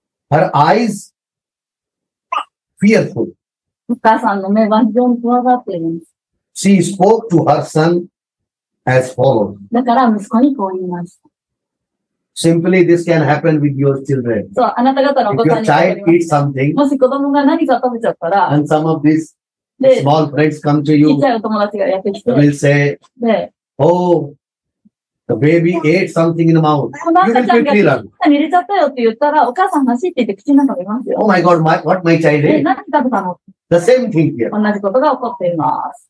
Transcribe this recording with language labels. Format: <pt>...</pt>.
<en>Her eyes. Fearful.</en> <ja>お母さんの目は非常に怖がっています。</ja> <en>She spoke to her son as follows.</en> <ja>だから息子にこう言いました。</ja> <en>Simply, this can happen with your children.</en> <ja>そう、あなた方のお子さんに。</ja> <en>If your child eats something,</en> <ja>もし子供が何か食べちゃったら、</ja> <en>and some of these small friends come to you,</en> <ja>ちっちゃいお友達がやってきて、</ja> <en>will say, oh, the baby ate something in the mouth.</en> <ja>なんかちゃんが口の中に入れちゃったよって言ったら、お母さん走って言って口の中にいますよ。</ja> <en>Oh my God, what my child ate?</en> <ja>何食べたの？</ja> <en>The same thing here.</en> <ja>同じことが起こっています。</ja>